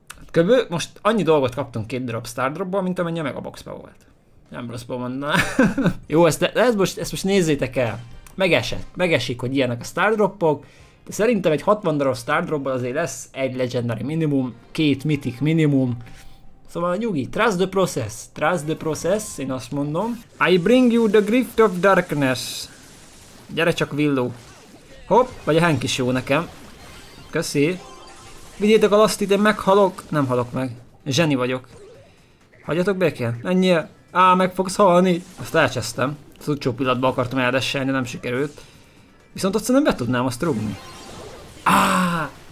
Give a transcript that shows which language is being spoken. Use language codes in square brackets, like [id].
[hu] Köbő, most annyi dolgot kaptunk két drop Stardropból, mint amennyi a megaboxba volt. Nem rosszból mondanám. Jó, ezt most nézzétek el. Megesik, hogy ilyenek a Stardroppok. De szerintem egy 60 darab Stardropból azért lesz egy legendary minimum, két mitik minimum. Szóval nyugi, [en] trust the process, [hu] én azt mondom. [en] I bring you the gift of darkness. [hu] Gyere csak, villó. Hopp, vagy a Hank is jó nekem. Köszi. Vigyétek a lasztit, én meghalok. Nem halok meg. Zseni vagyok. Hagyjatok békén. Ennyi. Á, meg fogsz halni. Azt elcsesztem. Az utcsó pillanatban akartam eldesselni, de nem sikerült. Viszont azt nem be tudnám azt rúgni. Á!